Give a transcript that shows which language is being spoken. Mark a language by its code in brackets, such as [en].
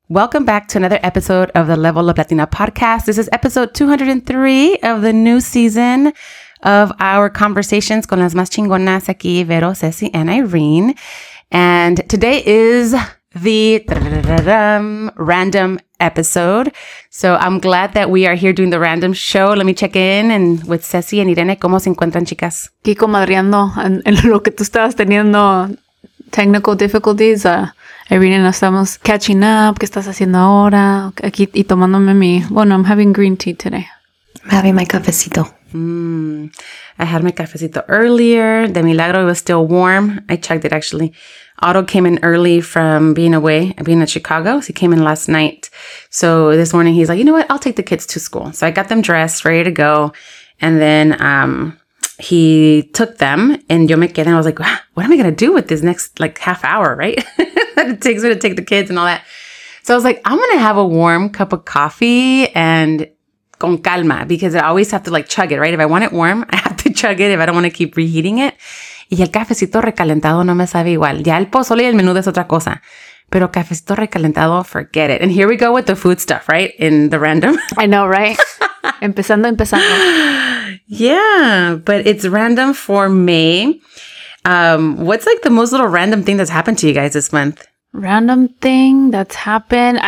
[en] Welcome back to another episode of the Level Up Latina podcast. This is episode 203 of the new season of our conversations [es] con las más chingonas aquí, [en] Vero, Ceci, and Irene. And today is the random episode. So I'm glad that we are here doing the random show. Let me check in and with Ceci and Irene. [es] ¿Cómo se encuentran, chicas? Aquí comadreando en lo que tú estabas teniendo [en] technical difficulties. [es] Irene, nos estamos [en] catching up. [es] ¿Qué estás haciendo ahora? Aquí y tomándome mi... Bueno, [en] I'm having green tea today. I'm having my cafecito. I had my cafecito earlier. [es] De milagro, [en] it was still warm. I checked it, actually. Otto came in early from being in Chicago. So he came in last night. So this morning he's like, you know what? I'll take the kids to school. So I got them dressed, ready to go. And then he took them and [es] yo me quedé. [en] And I was like, what am I going to do with this next like half hour, right? It takes me to take the kids and all that. So I was like, I'm going to have a warm cup of coffee and [es] con calma, [en] because I always have to like chug it, right? If I want it warm, I have to chug it if I don't want to keep reheating it. [es] Y el cafecito recalentado no me sabe igual. Ya el pozole y el menudo es otra cosa. Pero cafecito recalentado, [en] forget it. And here we go with the food stuff, right? In the random. I know, right? [es] Empezando. [en] Yeah, but it's random for May. What's like the most little random thing that's happened to you guys this month? Random thing that's happened?